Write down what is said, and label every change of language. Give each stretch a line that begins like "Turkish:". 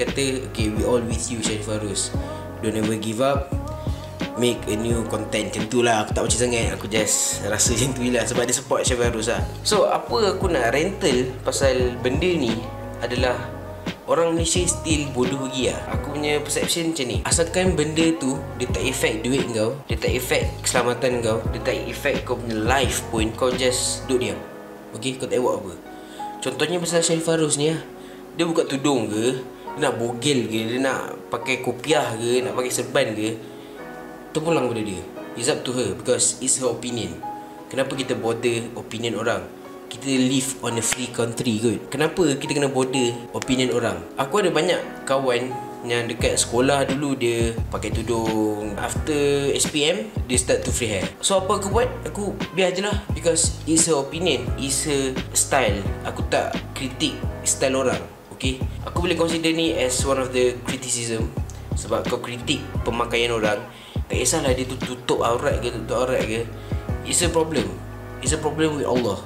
Malay: Kata
English: okay, we all with you Sharifah Ros, don't ever give up, make a new content.
Malay: Macam tu lah, aku tak baca sangat, aku just rasa macam tu lah sebab dia support Sharifah Ros lah. So apa aku nak rental pasal benda ni adalah orang Malaysia still bodoh lagi lah. Aku punya perception macam ni, asalkan benda tu dia tak effect duit kau, dia tak effect keselamatan kau, dia tak effect kau punya life pun, kau just duduk diam. Okay, kau tak buat apa. Contohnya pasal Sharifah Ros ni lah, dia buka tudung ke, dia nak bogel ke, dia nak pakai kopiah ke, nak pakai serban ke, tu pulang pada dia.
English: It's up to her, because it's her opinion.
Malay: Kenapa kita bother opinion orang? Kita
English: live on a free country
Malay: kot. Kenapa kita kena bother opinion orang? Aku ada banyak kawan yang dekat sekolah dulu dia pakai tudung.
English: After SPM, dia start to free hair. So
Malay: apa aku buat? Aku biar je lah,
English: because it's her opinion, it's her style.
Malay: Aku tak kritik style orang, okay? Aku boleh consider ni
English: as one of the criticism.
Malay: Sebab kau kritik pemakaian orang, tak kisahlah dia tu tutup aurat ke, tutup aurat ke,
English: it's a problem. It's a problem with Allah.